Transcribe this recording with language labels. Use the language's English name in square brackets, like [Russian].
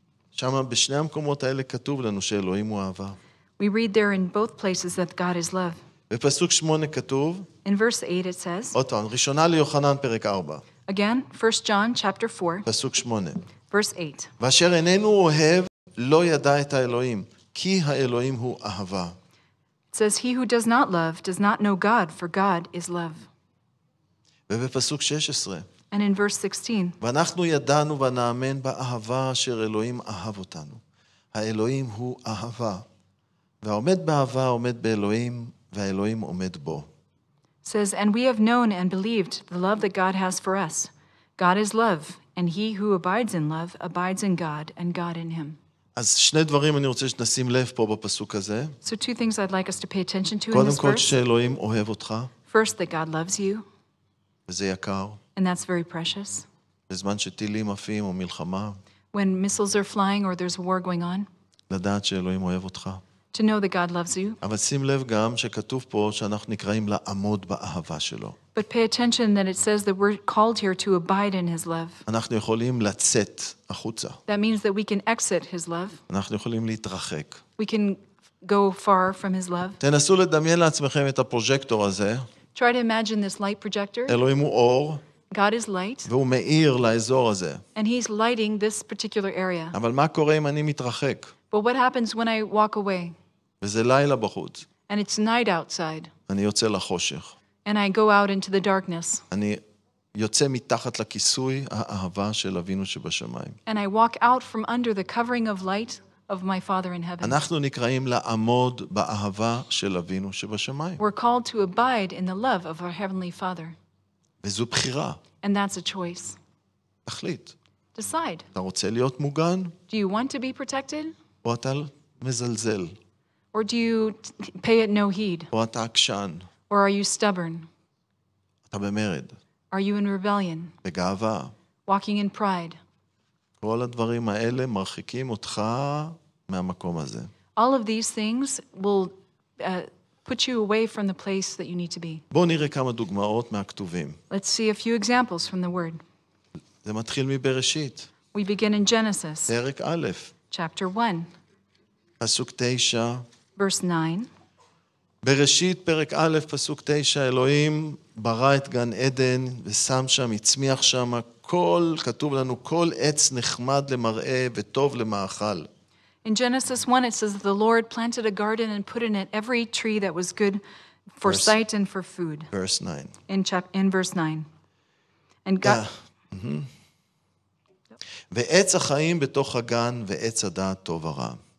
[Hebrew] שמה בשני המקומות האלה כתוב לנו שאלוהים הוא אהבה. [English] We read there in both places that God is love. [Hebrew] בפסוק 8 כתוב. [English] In verse 8 it says. [Hebrew] עוד פעם, ראשונה ליוחנן פרק 4. [English] Again, 1 John chapter 4. [Hebrew] פסוק 8. [English] Verse 8. [Hebrew] ואשר איננו אוהב לא ידע את האלוהים, כי האלוהים הוא אהבה. [English] It says he who does not love does not know God, for God is love. [Hebrew] ובפסוק 16. [English] And in verse 16. [Hebrew] ואנחנו ידענו ונאמן באהבה אשר אלוהים אהב אותנו. האלוהים הוא אהבה. והעומד באהבה עומד באלוהים, והאלוהים עומד בו. [English] Says, and we have known and believed the love that God has for us. God is love, and he who abides in love abides in God, and God in him. [Hebrew] אז שני דברים אני רוצה שנשים לב פה בפסוק הזה. [English] So two things I'd like us to pay attention to in this verse. [Hebrew] קודם כל שאלוהים אוהב אותך. [English] First, that God loves you. [Hebrew] וזה יקר. [English] And that's very precious. [Hebrew] בזמן שטילים עפים או מלחמה. [English] When missiles are flying or there's war going on. [Hebrew] לדעת שאלוהים אוהב אותך. [English] To know that God loves you. [Hebrew] אבל שים לב גם שכתוב פה שאנחנו נקראים לעמוד באהבה שלו. [English] But pay attention that it says that we're called here to abide in his love. [Hebrew] אנחנו יכולים לצאת החוצה. [English] That means that we can exit his love. [Hebrew] אנחנו יכולים להתרחק. [English] We can go far from his love. [Hebrew] תנסו לדמיין לעצמכם את הפרוג'קטור הזה. [English] Try to imagine this light projector. [Hebrew] אלוהים הוא אור. [English] God is light. [Hebrew] והוא מאיר לאזור הזה. [English] And he's lighting this particular area. [Hebrew] אבל מה קורה אם אני מתרחק? [English] But what happens when I walk away? [Hebrew] וזה לילה בחוץ. [English] And it's night outside. [Hebrew] אני יוצא לחושך. [English] And I go out into the darkness. [Hebrew] אני יוצא מתחת לכיסוי האהבה של אבינו שבשמיים. [English] And I walk out from under the covering of light of my Father in heaven. [Hebrew] אנחנו נקראים לעמוד באהבה של אבינו שבשמיים. [English] We're called to abide in the love of our heavenly Father. [Hebrew] וזו בחירה. [English] And that's a choice. [Hebrew] תחליט. [English] Decide. [Hebrew] אתה רוצה להיות מוגן? [English] Do you want to be protected? [Hebrew] או אתה מזלזל? [English] Or do you pay it no heed? [Hebrew] או אתה עקשן? [English] Or are you stubborn? [Hebrew] אתה במרד. [English] Are you in rebellion? [Hebrew] בגאווה. [English] Walking in pride. [Hebrew] כל הדברים האלה מרחיקים אותך מהמקום הזה. [English] All of these things will put you away from the place that you need to be. [Hebrew] בוא נראה כמה דוגמאות מהכתובים. [English] Let's see a few examples from the word. [Hebrew] זה מתחיל מבראשית. [English] We begin in Genesis. [Hebrew] פרק א'. [English] Chapter 1. [Hebrew] פסוק 9. [English] Verse 9. [Hebrew] בראשית פרק א' פסוק 9 אלוהים ברא את גן עדן ושם שם הצמיח שם כל כתוב לנו כל עץ נחמד למראה וטוב למאכל. [English] In Genesis 1 it says that the Lord planted a garden and put in it every tree that was good for sight and for food. Verse 9. In verse 9. And God [Hebrew] ועץ החיים בתוך הגן ועץ הדעת טוב ורע.